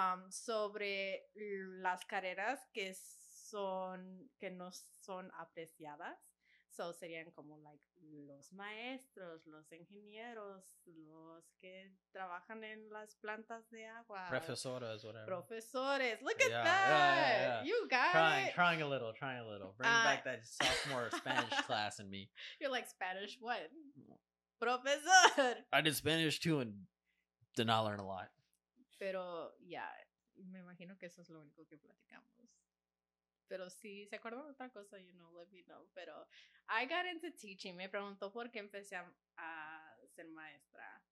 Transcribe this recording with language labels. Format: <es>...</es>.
<es>Sobre las carreras que no son apreciadas. So serían como like los maestros, los ingenieros, los que trabajan en las plantas de agua. Profesoras, whatever.</es> <en>Profesores. Look at that. Yeah. You got it. Trying a little. Bring back that sophomore Spanish class in me. You're like, Spanish what? Profesor. I did Spanish too and did not learn a lot.</en> <es>Pero yeah, me imagino que eso es lo único que platicamos. Pero si se acuerda de otra cosa,</es> <en>you know, let me know. Pero I got into teaching.</en> <es>Me preguntó por qué empecé a ser maestra.</es>